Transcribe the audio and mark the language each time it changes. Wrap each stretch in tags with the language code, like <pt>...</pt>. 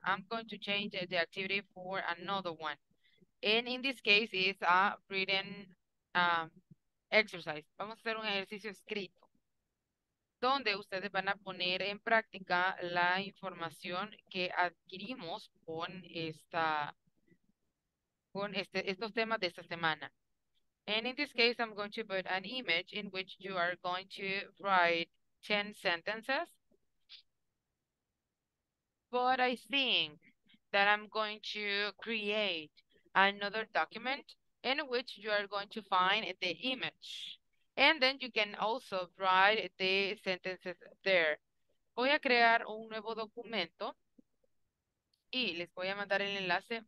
<en>I'm going to change the activity for another one, and in this case it's a written exercise.</en> <es>Vamos a hacer un ejercicio escrito donde ustedes van a poner en práctica la información que adquirimos con estos temas de esta semana.</es> <en>And in this case, I'm going to put an image in which you are going to write 10 sentences. But I think that I'm going to create another document in which you are going to find the image. And then you can also write the sentences there.</en> <es>Voy a crear un nuevo documento y les voy a mandar el enlace.</es>